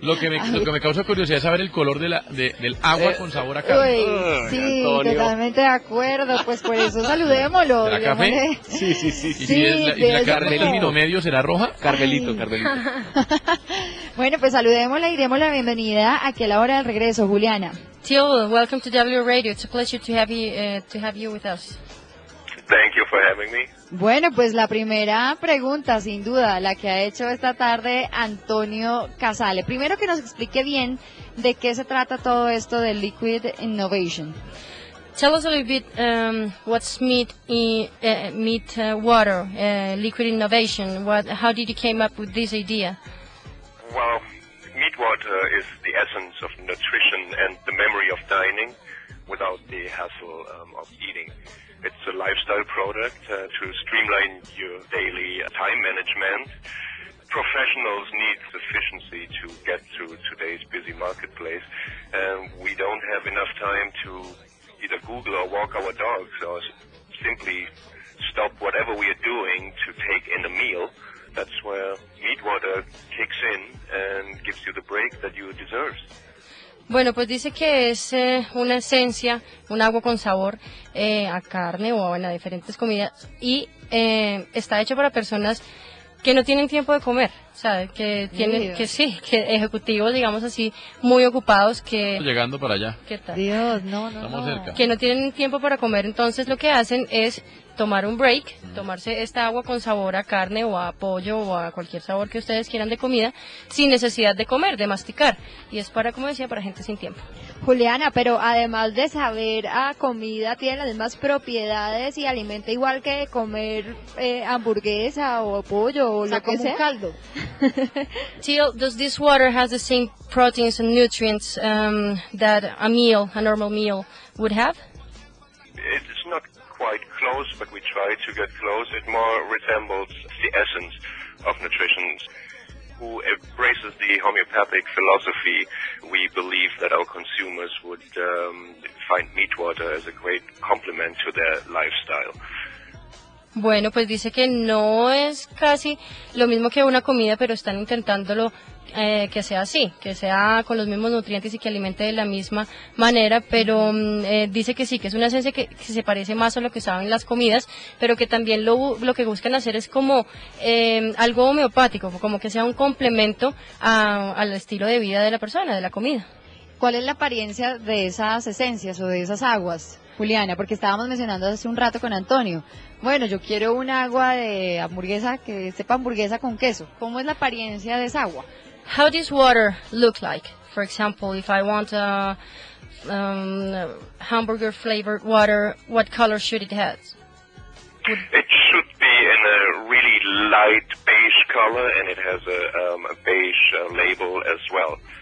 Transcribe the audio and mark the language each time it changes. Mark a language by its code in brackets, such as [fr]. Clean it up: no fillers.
[es] Lo que me causa curiosidad es saber el color de del agua con sabor a café. Uy, sí, Antonio. Totalmente de acuerdo. Pues por eso saludémoslo. ¿De la café? Sí, sí, sí. ¿Y si es la carmelito medio, será roja? Carmelito, ay. Carmelito. Bueno, pues saludémosla y demos la bienvenida aquí a la hora del regreso, Juliana. [en] Tilo, welcome to W Radio. It's a pleasure to have you with us. Thank you for having me. [es] Bueno, pues la primera pregunta, sin duda, la que ha hecho esta tarde Antonio Casale. Primero que nos explique bien de qué se trata todo esto de Liquid Innovation. [en] Tell us a little bit what's MeatWater, Liquid Innovation. How did you came up with this idea? Well, MeatWater is the essence of nutrition and the memory of dining without the hassle of eating. It's a lifestyle product to streamline your daily time management. Professionals need efficiency to get through today's busy marketplace, and we don't have enough time to either Google or walk our dogs or simply stop whatever we are doing to take in a meal. That's where MeatWater kicks in and gives you the break that you deserve. [es] Bueno, pues dice que es una esencia, un agua con sabor a carne o bueno, a diferentes comidas y está hecho para personas que no tienen tiempo de comer, o sea, que tienen, Dios. Que sí, que ejecutivos, digamos así, muy ocupados que... Estamos llegando para allá. ¿Qué tal? Dios, no, no, estamos no. Cerca. Que no tienen tiempo para comer, entonces lo que hacen es tomar un break, tomarse esta agua con sabor a carne o a pollo o a cualquier sabor que ustedes quieran de comida, sin necesidad de comer, de masticar. Y es para, como decía, para gente sin tiempo. Juliana, pero además de saber a comida, tiene las mismas propiedades y alimenta igual que comer hamburguesa o pollo o lo que sea. Como un caldo. [en] Till, does this water has the same proteins and nutrients that a meal, a normal meal, would have? It's not quite close, but we try to get close. It more resembles the essence of nutrition. Who embraces the homeopathic philosophy, we believe that our consumers would find MeatWater as a great complement to their lifestyle. [es] Bueno, pues dice que no es casi lo mismo que una comida, pero están intentándolo que sea así, que sea con los mismos nutrientes y que alimente de la misma manera, pero dice que sí, que es una esencia que se parece más a lo que saben las comidas, pero que también lo que buscan hacer es como algo homeopático, como que sea un complemento al estilo de vida de la persona, de la comida. ¿Cuál es la apariencia de esas esencias o de esas aguas, Juliana? Porque estábamos mencionando hace un rato con Antonio. Bueno, yo quiero un agua de hamburguesa que sepa hamburguesa con queso. ¿Cómo es la apariencia de esa agua? [en] How does water look like? For example, if I want a hamburger flavored water, what color should it have? It should be in a really light beige color, and it has a beige label as well.